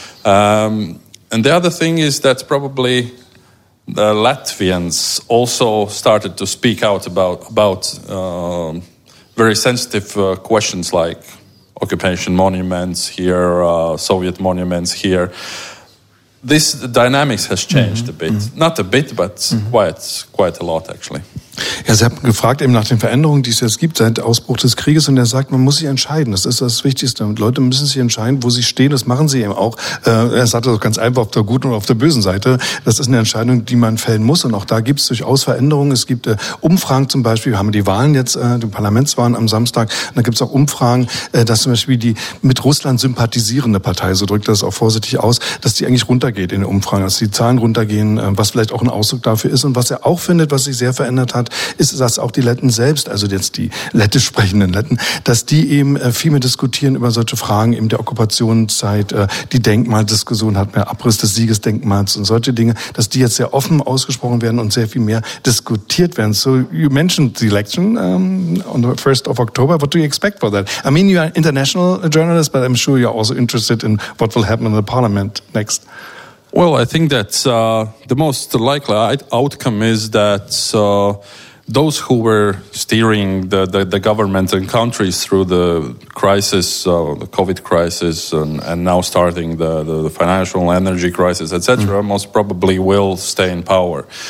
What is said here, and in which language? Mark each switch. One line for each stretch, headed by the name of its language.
English: And the other thing is that probably the Latvians also started to speak out about. Very sensitive questions like occupation monuments here, Soviet monuments here. This dynamics has changed a bit. Mm-hmm. Not a bit, but quite a lot actually.
German: Ja, Sie haben gefragt eben nach den Veränderungen, die es jetzt gibt seit Ausbruch des Krieges, und er sagt, man muss sich entscheiden. Das ist das Wichtigste. Und Leute müssen sich entscheiden, wo sie stehen. Das machen sie eben auch. Er sagt das auch ganz einfach, auf der guten und auf der bösen Seite. Das ist eine Entscheidung, die man fällen muss. Und auch da gibt es durchaus Veränderungen. Es gibt Umfragen zum Beispiel. Wir haben die Wahlen jetzt, die Parlamentswahlen am Samstag. Und da gibt es auch Umfragen, dass zum Beispiel die mit Russland sympathisierende Partei, so drückt das auch vorsichtig aus, dass die eigentlich runtergeht in den Umfragen, dass die Zahlen runtergehen, was vielleicht auch ein Ausdruck dafür ist. Und was er auch findet, was sich sehr verändert hat, ist, dass auch die Letten selbst, also jetzt die lettisch sprechenden Letten, dass die eben viel mehr diskutieren über solche Fragen eben der Okkupationszeit, die Denkmaldiskussion hat mehr Abriss des Siegesdenkmals und solche Dinge, dass die jetzt sehr offen ausgesprochen werden und sehr viel mehr diskutiert werden.
English: So you mentioned the election on the 1st of October. What do you expect for that? I mean, you are an international journalist, but I'm sure you're also interested in what will happen in the parliament next. Well, I think that the most likely outcome is that those who were steering the government and countries through the crisis, the COVID crisis, and now starting the financial and energy crisis, etc., most probably will stay in power.